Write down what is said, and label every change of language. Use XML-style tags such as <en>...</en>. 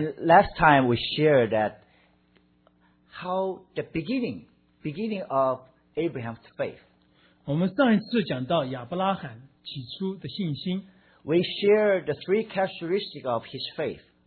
<en>And last time we shared that how the beginning of Abraham's faith.</en> <zh>我们上一次讲到亚伯拉罕起初的信心,</zh> <en>we share the three characteristics of his faith.</en>